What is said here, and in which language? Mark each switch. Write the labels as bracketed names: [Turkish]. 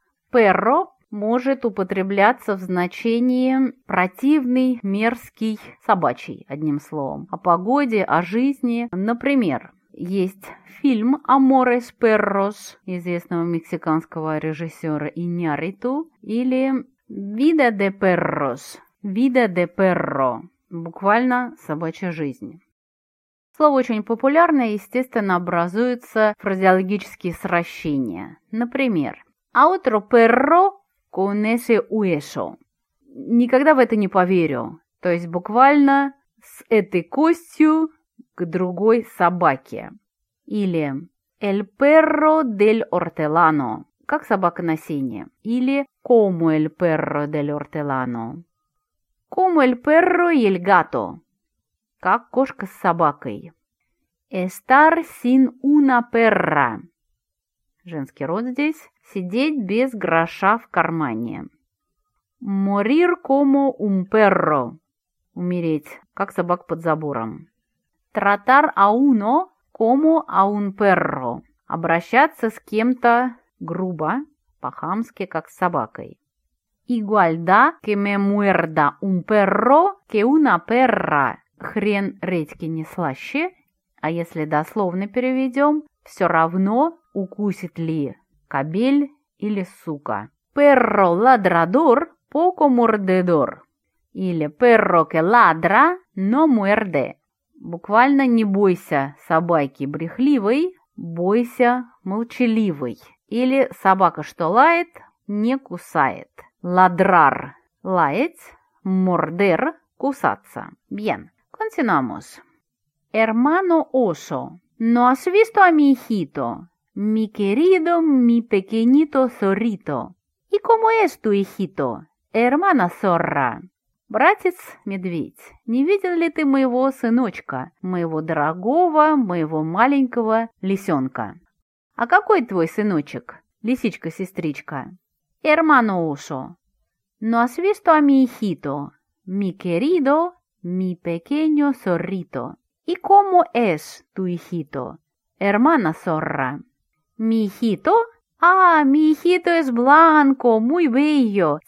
[Russian] Perro может употребляться в значении противный, мерзкий, собачий, одним словом. О погоде, о жизни. Например, есть фильм «Amores Perros» известного мексиканского режиссера Иньярриту. [Spanish] Или «Vida de Perros» – «Vida de Perro» – [Russian] буквально «собачья жизнь». Слово очень популярное, естественно, образуются фразеологические сращения. [Spanish] Например, «A otro perro con ese hueso». [Russian] «Никогда в это не поверю». То есть буквально «с этой костью к другой собаке». [Spanish] Или «El perro del hortelano». [Russian] «Как собака на сене». [Spanish] Или «Como el perro del hortelano». «Como el perro y el gato». [Russian] Как кошка с собакой. [Spanish] Estar sin una perra. [Russian] Женский род здесь. Сидеть без гроша в кармане. [Spanish] Morir como un perro. [Russian] Умереть, как собак под забором. [Spanish] Tratar a uno como a un perro. [Russian] Обращаться с кем-то грубо, по-хамски, как с собакой. [Spanish] Igualda que me muerda un perro que una perra. [Russian] Хрен редьки не слаще, а если дословно переведем, все равно укусит ли кобель или сука. [Spanish] Perro ladrador poco mordedor. Или perro que ladra no muerde. [Russian] Буквально не бойся собаки брехливой, бойся молчаливой. Или собака, что лает, не кусает. Ladrar – лаять, morder – кусаться. [Spanish] Bien. Continuamos. Hermano oso, ¿no has visto a mi hijito? Mi querido, mi pequeñito zorrito. ¿Y cómo es tu hijito? Hermana zorra. [Russian] Братец медведь, не видел ли ты моего сыночка, моего дорогого, моего маленького лисенка? А какой твой сыночек, лисичка-сестричка? [Spanish] Hermano oso, ¿no has visto a mi hijito? Mi querido... Mi pequeño zorrito. ¿Y cómo es tu hijito? Hermana zorra. ¿Mi hijito? Ah, mi hijito es blanco, muy bello.